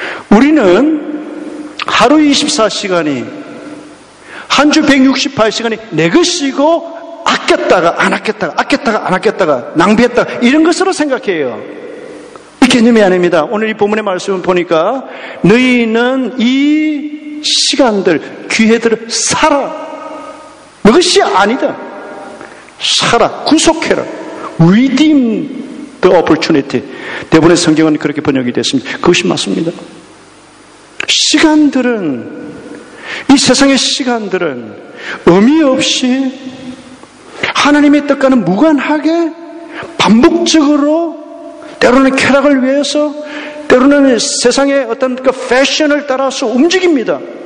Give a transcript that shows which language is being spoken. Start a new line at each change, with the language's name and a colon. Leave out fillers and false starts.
Korean: 우리는 하루 24시간이, 한 주 168시간이 내 것이고 아꼈다가 안 아꼈다가 아꼈다가 안 아꼈다가 낭비했다가 이런 것으로 생각해요. 이 개념이 아닙니다. 오늘 이 본문의 말씀을 보니까 너희는 이 시간들, 기회들을 사라. 내 것이 아니다. 사라, 구속해라.
English: Redeem the opportunity.
Korean: 대부분의 성경은 그렇게 번역이 됐습니다. 그것이 맞습니다. 시간들은, 이 세상의 시간들은 의미 없이 하나님의 뜻과는 무관하게 반복적으로 때로는 쾌락을 위해서 때로는 세상의 어떤 그 패션을 따라서 움직입니다.